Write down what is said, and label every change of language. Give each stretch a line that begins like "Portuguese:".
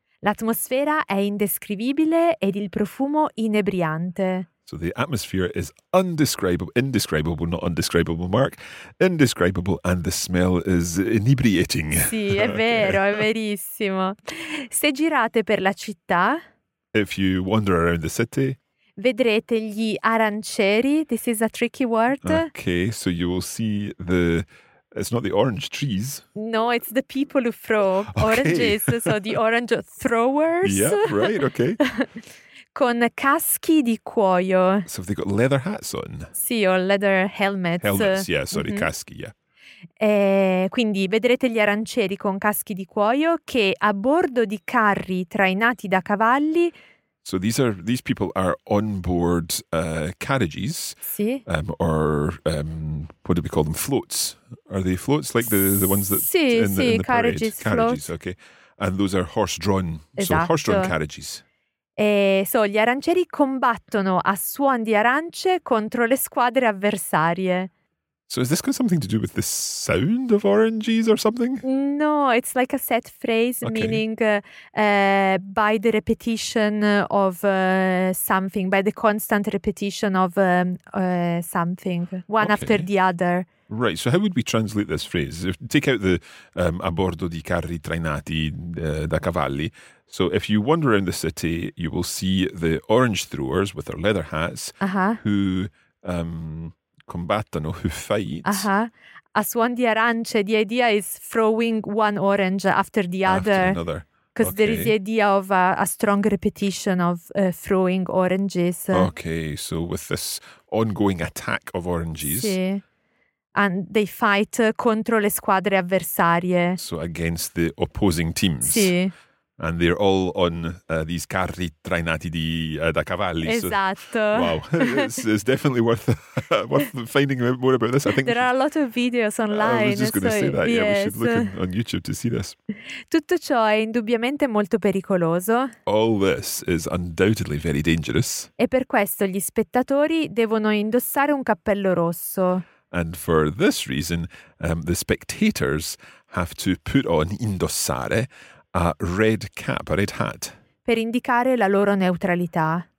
Italian: L'atmosfera è indescrivibile ed il profumo inebriante.
English: So the atmosphere is indescribable, not indescribable, Mark. Indescribable and the smell is inebriating.
Italian: Sì, è vero, okay. È verissimo. Se girate per la città,
English: if you wander around the city,
Italian: vedrete gli aranceri.
English: This is a tricky word. Okay, so you will see the... It's not the orange trees. No, it's the people who throw oranges. Okay. So the orange throwers. Yeah, right, okay.
Italian: Con caschi di cuoio.
English: So have they got leather hats on? Sì, or leather helmets. Helmets, yeah, sorry, mm-hmm. Caschi, yeah.
Italian: Quindi vedrete gli aranceri con caschi di cuoio che a bordo di carri trainati da cavalli...
English: So these people are on board carriages.
Italian: Sí.
English: What do we call them? Floats. Are they floats? Like the ones that
Italian: sí,
English: in the carriages, parade? Carriages, float. Okay. And those are horse-drawn.
Italian: Esatto.
English: So horse-drawn carriages.
Italian: So gli arancieri combattono a suon di arance contro le squadre avversarie.
English: So is this got something to do with the sound of oranges or something? No, it's like a set phrase, okay. Meaning by the repetition of something, by the constant repetition of something, one okay. after the other. Right, so how would we translate this phrase? If, take out the
Italian: a bordo di carri trainati da cavalli.
English: So if you wander around the city, you will see the orange throwers with their leather hats uh-huh. who... combattono, who fight. Uh-huh.
Italian: A suon di arance,
English: the idea is throwing one orange after the other. After another. Because okay. there is the idea of a strong repetition of throwing oranges. Okay, so with this ongoing attack of oranges.
Italian: Sì.
English: And they fight
Italian: contro le squadre avversarie.
English: So against the opposing teams.
Italian: Sì.
English: And they're all on these
Italian: carri trainati di da cavalli. Esatto.
English: So, wow, it's definitely worth finding out more about this. I think there are a lot of videos online. I was just going to say that. Yes. Yeah, we should look on YouTube to see this.
Italian: Tutto ciò è indubbiamente molto pericoloso.
English: All this is undoubtedly very dangerous.
Italian: E per questo gli spettatori devono indossare un cappello rosso.
English: And for this reason, the spectators have to put on indossare. A red cap, a red hat.
Italian: Per indicare la loro neutralità.